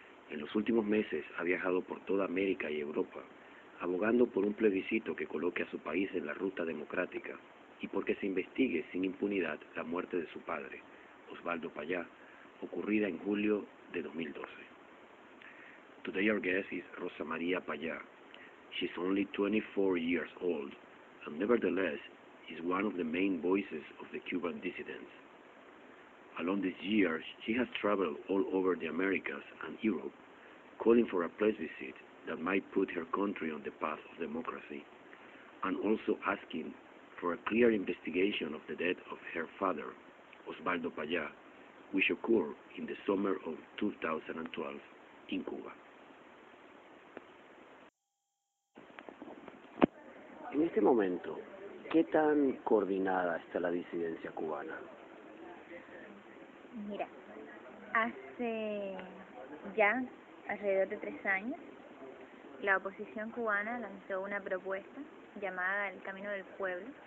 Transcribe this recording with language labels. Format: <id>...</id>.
<es>En los últimos meses ha viajado por toda América y Europa, abogando por un plebiscito que coloque a su país en la ruta democrática y porque se investigue sin impunidad la muerte de su padre, Osvaldo Paya, ocurrida en julio de 2012.</es> <en>Today our guest is Rosa María Paya. She's only 24 years old, and nevertheless, is one of the main voices of the Cuban dissidents. Along this year, she has traveled all over the Americas and Europe, calling for a plebiscite that might put her country on the path of democracy, and also asking for a clear investigation of the death of her father, Osvaldo Paya, which occurred in the summer of 2012 in Cuba.</en> <es>In este momento, ¿qué tan coordinada está la disidencia cubana? Mira, hace ya alrededor de 3 años, la oposición cubana lanzó una propuesta llamada el Camino del Pueblo.</es>